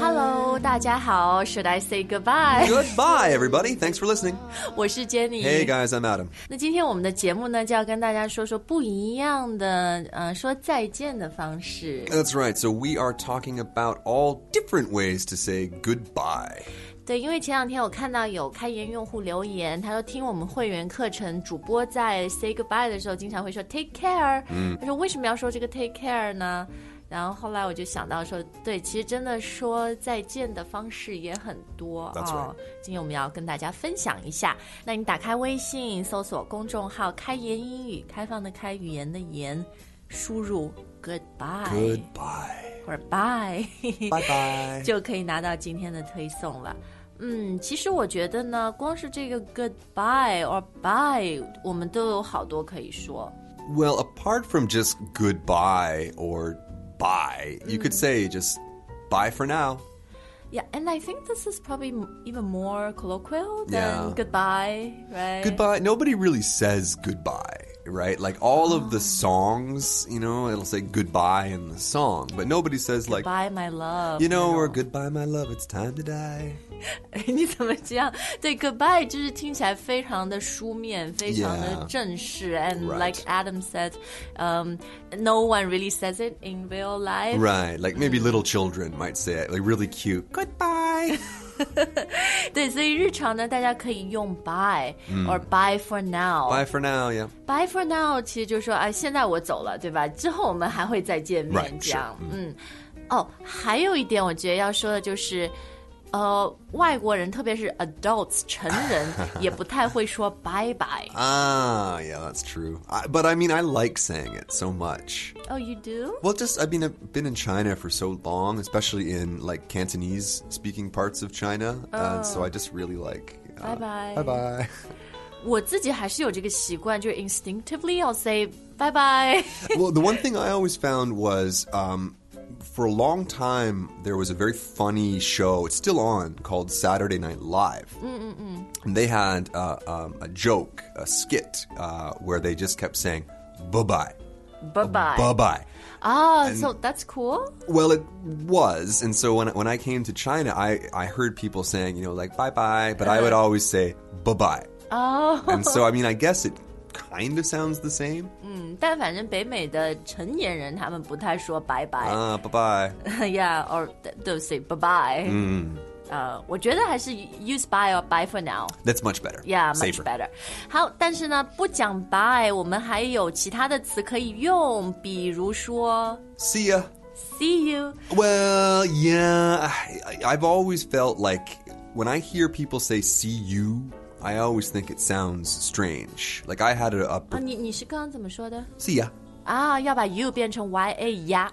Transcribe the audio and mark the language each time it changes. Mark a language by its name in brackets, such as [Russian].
[English] Hello, [Chinese] 大家好 [English] Should I say goodbye? Goodbye, everybody. Thanks for listening. [Chinese] 我是 Jenny. [English] Hey, guys, I'm Adam. [Chinese] 那今天我们的节目呢就要跟大家说说不一样的、说再见的方式。 [English] That's right. So we are talking about all different ways to say goodbye. [Chinese] 对，因为前两天我看到有开源用户留言，他说听我们会员课程主播在 say goodbye 的时候经常会说 [English] take care、 [Chinese] 他说为什么要说这个 take care 呢？然后后来我就想到说，对，其实真的说再见的方式也很多、今天我们要跟大家分享一下。那你打开微信搜索公众号开言英语，开放的开，语言的言，输入 goodbye [English] goodbye [Chinese] 或者 bye [English] bye bye [Chinese] 就可以拿到今天的推送了。其实我觉得呢，光是这个 [English] goodbye or bye [Chinese] 我们都有好多可以说。 [English] Well, apart from just goodbye or bye, you could say just bye for now. Yeah, and I think this is probably even more colloquial than goodbye, right? Goodbye, nobody really says goodbye. Right, like all of the songs, you know, it'll say goodbye in the song, but nobody says like goodbye my love, you know, you know. Or goodbye my love, it's time to die. [Chinese] 你怎么这样？对 ，goodbye 就是听起来非常的书面，非常的正式。 [English] Yeah. And、 right. like Adam said, no one really says it in real life. Right, like maybe little children might say it, like really cute goodbye. [Chinese] 对，所以日常呢，大家可以用 bye、 [English] or bye for now. Bye for now, yeah. Bye for now, [Chinese] 其实就是说，哎，现在我走了，对吧？之后我们还会再见面， [English] right, [Chinese] 这样。 [English] Sure. [Chinese] 还有一点，我觉得要说的就是，外国人，特别是 adults 成人，也不太会说 bye bye. [English] Yeah, that's true. But I mean, I like saying it so much. Oh, you do? Well, just I mean, I've been in China for so long, especially in like Cantonese speaking parts of China. So I just really like bye bye. Bye bye. [Chinese] 我自己还是有这个习惯，就 [English] instinctively I'll say bye bye. Well, the one thing I always found was. For a long time, there was a very funny show, it's still on, called Saturday Night Live. And they had a joke, a skit, where they just kept saying, bye-bye. Bye-bye. Bye-bye. So that's cool? Well, it was. And so when I came to China, I heard people saying, you know, like, bye-bye. But I would always say, bye-bye. Oh. And so, I mean, I guess it... Kind of sounds the same. [Chinese] 但反正北美的成年人他们不太说拜拜。拜拜。 [English] Yeah, or they'll say bye bye. [Chinese] 我觉得还是 [English] use bye or bye for now. That's much better. Yeah, much、 Safer. Better. [Chinese] 好，但是呢，不讲 bye, 我们还有其他的词可以用，比如说 [English] see ya. See you. Well, yeah, I've always felt like when I hear people say see you. I always think it sounds strange. Like, I had a... [Chinese] 你是刚刚怎么说的? [English] See ya. [Chinese] 要把 you 变成 ya, ya.